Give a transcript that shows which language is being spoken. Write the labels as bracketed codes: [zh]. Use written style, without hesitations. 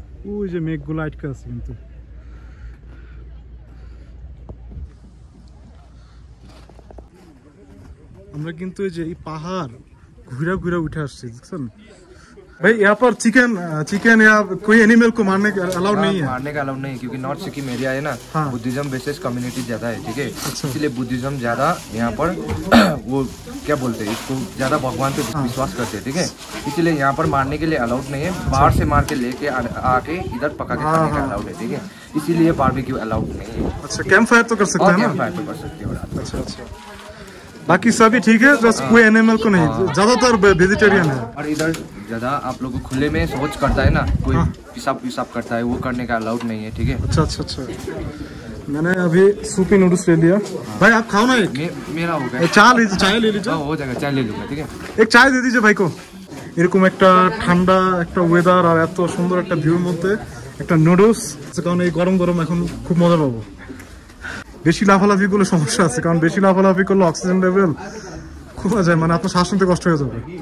[bn] ওই যে মেঘগুলো আটকে আছে, কিন্তু আমরা কিন্তু এই যে এই পাহাড় ঘুরে ঘুরে উঠে আসছি, বুঝছেন ভাই। [hi] यहां पर चिकन चिकन या कोई एनिमल को मारने का अलाउड नहीं है, मारने का अलाउड नहीं है क्योंकि नॉर्थ सिक्किम एरिया है ना, बुद्धिज्म बेस्ड कम्युनिटी ज्यादा है, ठीक है। इसलिए बुद्धिज्म ज्यादा यहां पर वो क्या बोलते हैं इसको, ज्यादा भगवान पे विश्वास करते हैं, ठीक है। इसलिए यहां पर मारने के लिए अलाउड नहीं है, बाहर से मार के लेके आके इधर पका के खाने का अलाउड है, ठीक है। इसीलिए बारबेक्यू अलाउड नहीं है। अच्छा कैंप फायर तो कर सकते हैं ना, कैंप फायर तो कर सकते हो। अच्छा अच्छा बाकी सभी ठीक है, जस्ट कोई एनिमल को नहीं, ज्यादातर वेजिटेरियन है। और इधर ज्यादा आप लोग खुले में शौच करता है ना, कोई पेशाब पेशाब करता है, वो करने का अलाउड नहीं है, ठीक है। अच्छा अच्छा अच्छा, मैंने अभी सूपी नूडल्स ले लिया। भाई आप खाओ ना, मेरा हो गया। चाय ले लीजिए, चाय ले लीजिए। हाँ हो जाएगा, चाय ले लूंगा, ठीक है। एक चाय दे दीजिए भाई को। [bn] এরকম একটা ঠান্ডা একটা ওয়েদার আর এত সুন্দর একটা ভিউর মধ্যে একটা নুডলস, কারণ এই গরম গরম এখন খুব মজা পাবো। বেশি লাফালাফি করলে সমস্যা আছে, কারণ বেশি লাফালাফি করলে অক্সিজেন লেভেল খুবই যায়, মানে আপনার শ্বাস নিতে কষ্ট হয়ে যাবে।